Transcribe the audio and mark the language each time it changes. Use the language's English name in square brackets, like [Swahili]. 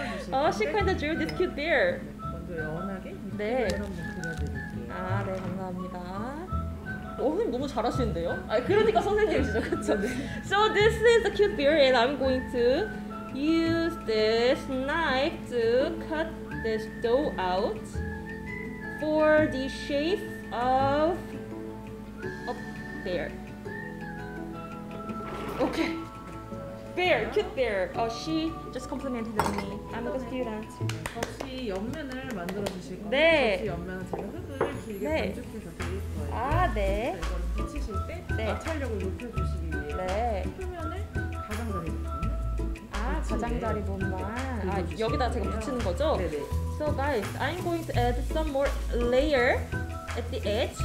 [English] 어, she kind of drew this cute bear. [Korean] 먼저 연하게. 네. 아, 네, 감사합니다. 선생님 너무 잘하시는데요? 아 그러니까 선생님이시죠, 그렇죠? [English] 네. So this is a cute beer, and I'm going to use this knife to cut this dough out for the shape of a bear. Okay. Bear, cute bear. Oh, she just complimented me. I'm a student. [Korean] 혹시 옆면을 만들어 주실 건가요? 네. 혹시 옆면을 제가 흙을 길게 네. 반죽해서 드릴 거예요. 아, 네. 이걸 붙이실 때 네. 마찰력을 높여 주시기 위해 네. 표면을 가장자리 부분만. 아, 가장자리 부분만. 아, 여기다 제가 붙이는 거죠? 네네. [English] So guys, I'm going to add some more layer at the edge.